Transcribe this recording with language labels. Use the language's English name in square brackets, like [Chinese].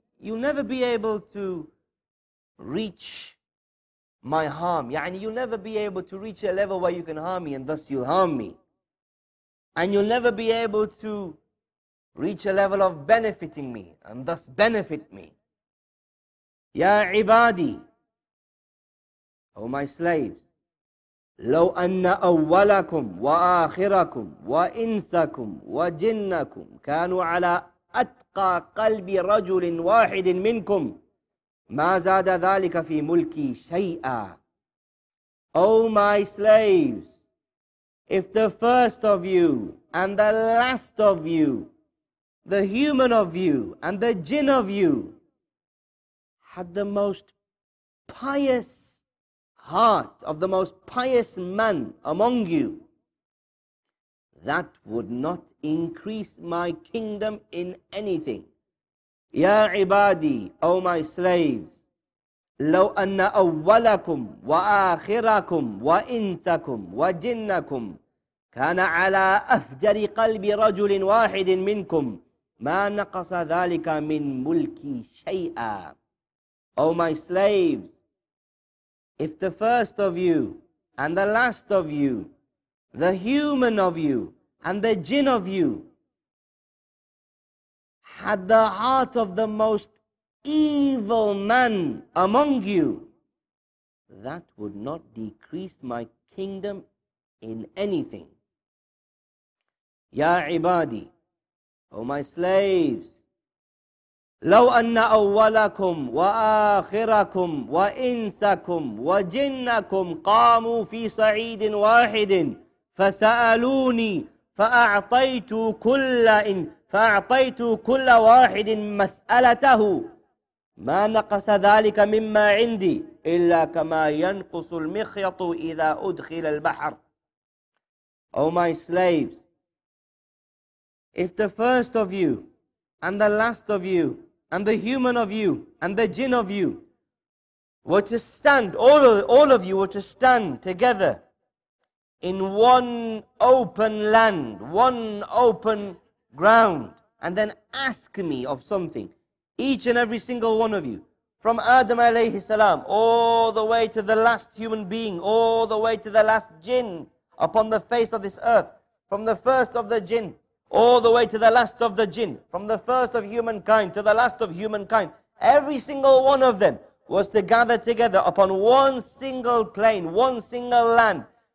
[English] you'll never be able to reach my harm. يعني you'll never be able to reach a level where you can harm me, and thus you'll harm me. And you'll never be able to reach a level of benefiting me, and thus benefit me. [Arabic] يا عبادي, [English] O my slaves, [Arabic] لو أن أولكم وآخركم وإنسكم وجنكم كانوا على أتقى قلب رجل واحد منكم ما زاد ذلك في ملكي شيئا. [English] O my slaves, if the first of you and the last of you, the human of you and the jinn of you, had the most pious heart of the most pious man among you, that would not increase my kingdom in anything. [Arabic] Ya ibadi, [English] O my slaves, [Arabic] لو أن أولكم وآخركم وإنسكم وجنكم كان على أفجر قلب رجل واحد منكم ما نقص ذلك من ملكي شيئا. [English] O my slaves, if the first of you and the last of you, the human of you and the jinn of you, had the heart of the most evil man among you, that would not decrease my kingdom in anything. [Arabic] Ya ibadi, [English] O my slaves, [Arabic] لو أن أولكم وآخركم وإنسكم وجنكم قاموا في صعيد واحد فسألوني فأعطيت كل واحد مسألته ما نقص ذلك مما عندي إلا كما ينقص المخيط إذا أدخل البحر. [English] O my slaves, if the first of you and the last of you and the human of you and the jinn of you were to stand, all of you were to stand together in one open land, one open ground, and then ask me of something, each and every single one of you, from Adam alayhi salam all the way to the last human being, all the way to the last jinn upon the face of this earth, from the first of the jinn all the way to the last of the jinn, from the first of humankind to the last of humankind, every single one of them was to gather together upon one single plain, one single land,